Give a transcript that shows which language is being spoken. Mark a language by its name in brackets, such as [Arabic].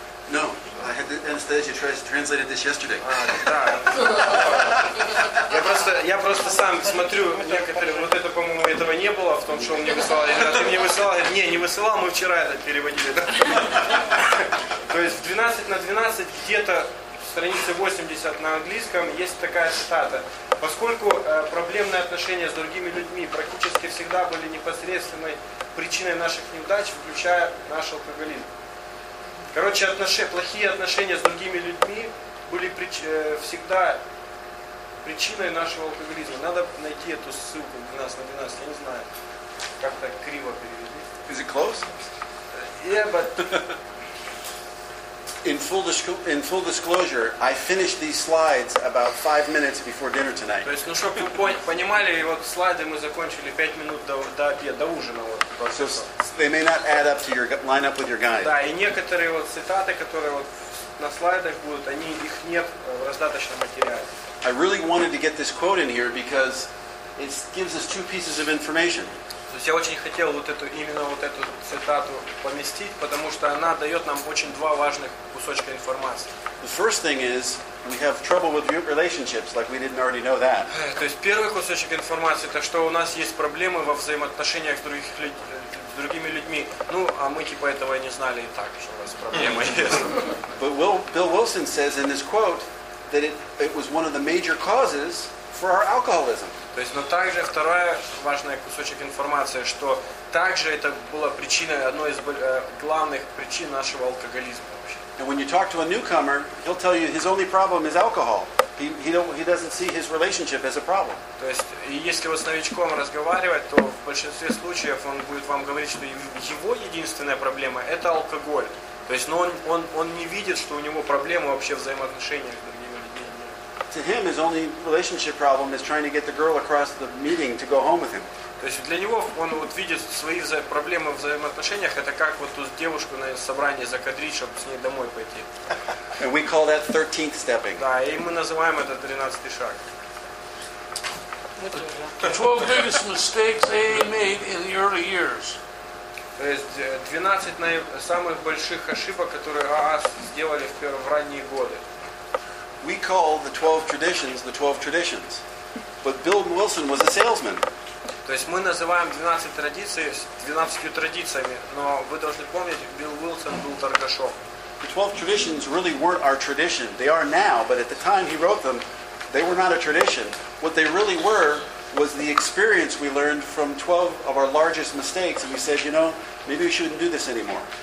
[English] No, I had Anastasia translated this yesterday. [Russian] Я просто сам смотрю некоторые. Вот это, по-моему, этого не было в том, что он мне высылал. А ты мне высылал? Не высылал, мы вчера это переводили. То есть в 12 на 12 где-то страница 80 на английском есть такая цитата. Поскольку проблемные отношения с другими людьми практически всегда были непосредственной причиной наших неудач, включая наш алкоголизм. Короче, плохие отношения с другими людьми были всегда причиной нашего алкоголизма. Надо найти эту ссылку 12 на 12, я не знаю, как-то криво перевели. [English] Is it close? Yeah, but... In full disclosure, I finished these slides about 5 minutes before dinner tonight. [Russian] То есть, ну чтобы вы понимали, вот слайды мы закончили 5 минут до обеда, до ужина вот. [English] So they may not add up to your line up with your guide. [Russian] Да, и некоторые вот цитаты, которые вот на слайдах будут, они их нет в раздаточном материале. [English] I really wanted to get this quote in here because it gives us two pieces of information. [Russian] То есть я очень хотел вот эту, именно вот эту цитату поместить, потому что она дает нам очень два важных кусочка информации. [English] The first thing is, we have trouble with relationships, like we didn't already know that. [Russian] То есть первый кусочек информации, это что у нас есть проблемы во взаимоотношениях с другими людьми. Ну, а мы типа этого не знали и так, что у нас проблема есть. [English] But Bill Wilson says in this quote, that it was one of the major causes for our alcoholism. [Russian] То есть, но также второй важный кусочек информации, что также это была причина, одной из главных причин нашего алкоголизма вообще. [English] And when you talk to a newcomer, he'll tell you his only problem is alcohol. He doesn't see his relationship as a problem. [Russian] То есть, если вы с новичком разговаривать, то в большинстве случаев он будет вам говорить, что его единственная проблема – это алкоголь. То есть, но он не видит, что у него проблема вообще взаимоотношениях. [English] To him, his only relationship problem is trying to get the girl across the meeting to go home with him. [Russian] То есть для него он вот видит свои проблемы в взаимоотношениях, это как вот ту девушку на собрании закадрить, чтобы с ней домой пойти. [English] And we call that 13th stepping. [Russian] Да, и мы называем это 13-й шаг. [English] The 12 biggest mistakes AA made in the early years. [Russian] То есть 12 самых больших ошибок, которые АА сделали в ранние годы. [English] We call the 12 traditions the 12 traditions. But Bill Wilson was a salesman. [Russian] То есть мы называем 12 традиций 12 традициями, но вы должны помнить, Билл Уилсон был торгашом. [English] The 12 traditions really weren't our tradition. They are now, but at the time he wrote them, they were not a tradition. What they really were was the experience we learned from 12 of our largest mistakes, and we said, you know, maybe we shouldn't do this anymore.